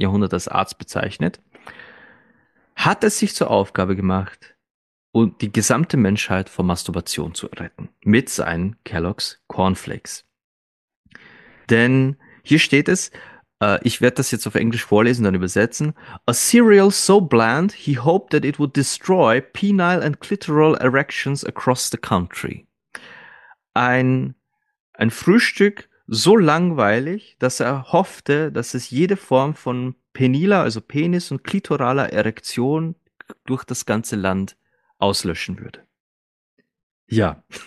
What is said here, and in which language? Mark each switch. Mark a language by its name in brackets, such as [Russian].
[German] Jahrhundert als Arzt bezeichnet, hat es sich zur Aufgabe gemacht, und die gesamte Menschheit vor Masturbation zu retten, mit seinen Kellogg's Cornflakes. Denn hier steht es, ich werde das jetzt auf Englisch vorlesen, dann übersetzen. [English] A cereal so bland, he hoped that it would destroy penile and clitoral erections across the country. [German] Ein Frühstück so langweilig, dass er hoffte, dass es jede Form von peniler, also Penis und klitoraler Erektion durch das ganze Land auslöschen würde. Ja.